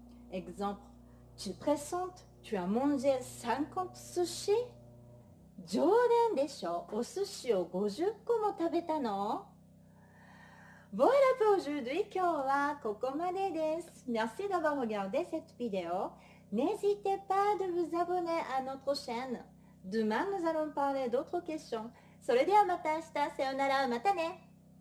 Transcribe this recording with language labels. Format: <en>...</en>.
<fr>Exemple, tu présentes, tu as mangé 50 sushis?</fr> <ja>冗談でしょ？お寿司を50個も食べたの？</ja> <fr>Voilà pour aujourd'hui.</fr> <ja>今日はここまでです。</ja> <fr>Merci d'avoir regardé cette vidéo. N'hésitez pas de vous abonner à notre chaîne. Demain, nous allons parler d'autres questions.</fr> <ja>それではまた明日。さようなら。またね。</ja>